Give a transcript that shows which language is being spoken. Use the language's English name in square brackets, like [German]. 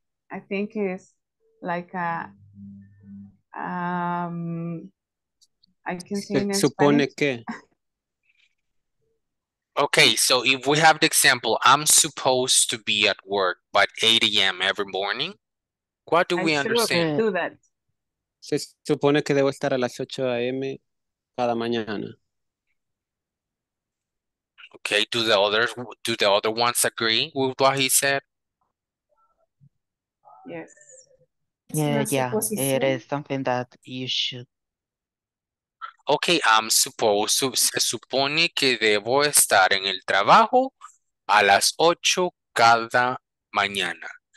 [English] I think it's like a, I can say in [Spanish] supone que. [English] Okay, so if we have the example, I'm supposed to be at work by 8 a.m. every morning. What do I we understand? Do that. [Spanish] Se supone que debo estar a las 8 a.m. cada mañana. [English] Okay, do the other ones agree with what he said? Yes. Yeah, it is something that you should. Okay, I'm supposed to, [Spanish] se supone que debo estar en el trabajo a las 8 cada mañana.